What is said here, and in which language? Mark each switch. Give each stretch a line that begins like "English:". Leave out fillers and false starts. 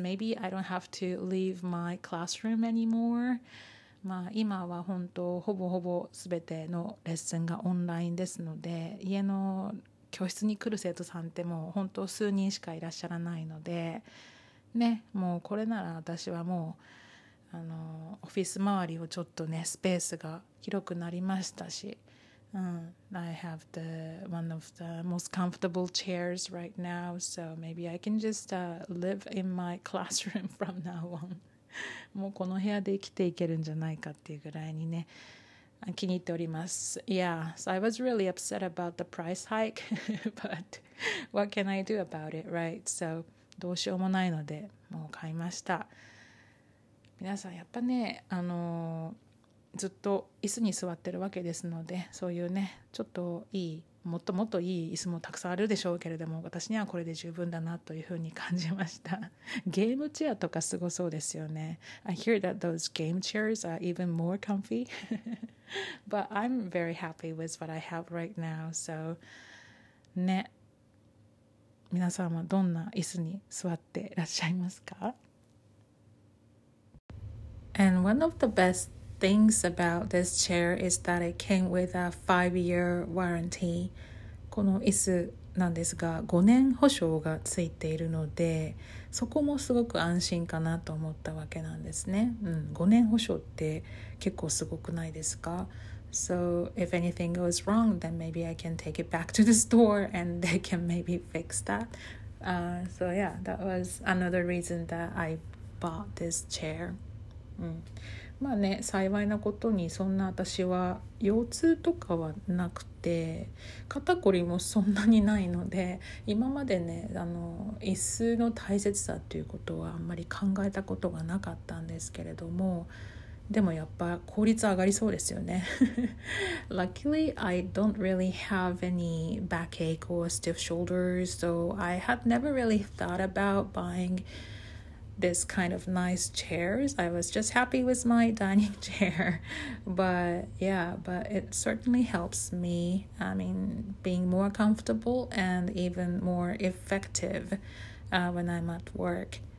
English: Maybe I don't have to leave my classroom anymore.
Japanese: まあ今は本当ほぼほぼ全てのレッスンがオンラインですので、家の教室に来る生徒さんってもう本当数人しかいらっしゃらないのでね、もうこれなら私はもうあのオフィス周りをちょっとねスペースが広くなりましたし、うん、
English: I have the one of the most comfortable chairs right now, so maybe I can just live in my classroom from now on.
Japanese: もうこの部屋で生きていけるんじゃないかっていうぐらいにね気に入っております。
English: Yeah, so I was really upset about the price hike, but what can I do about it, right? So,
Japanese: どうしようもないので、もう買いました。皆さん、やっぱね、あの、ずっと椅子に座ってるわけですので、そういうね、ちょっといい、もっともっといい椅子もたくさんあるでしょうけれども、私にはこれで十分だなというふうに感じました。ゲームチェアとかすごそうですよね。
English: I hear that those game chairs are even more comfy. But I'm very happy with what I have right now. So,
Japanese: ね、皆さんはどんな椅子に座ってらっしゃいますか？
English: And one of the best things about this chair is that it came with a 5-year warranty.
Japanese: この椅子なんですが、5年保証がついているので、そこもすごく安心かなと思ったわけなんですね。うん、5年保証って結構すごくないですか？
English: So if anything goes wrong, then maybe I can take it back to the store and they can maybe fix that. So yeah, that was another reason that I bought this chair.
Japanese: うん、まあね、幸いなことにそんな私は腰痛とかはなくて、肩こりもそんなにないので、今までね、あの椅子の大切さということはあんまり考えたことがなかったんですけれども、でもやっぱ効率上がりそうですよね。
English: Luckily I don't really have any backache or stiff shoulders, so I had never really thought about buyingthis kind of nice chairs. I was just happy with my dining chair. But yeah, but it certainly helps me, I mean, being more comfortable and even more effective, when I'm at work.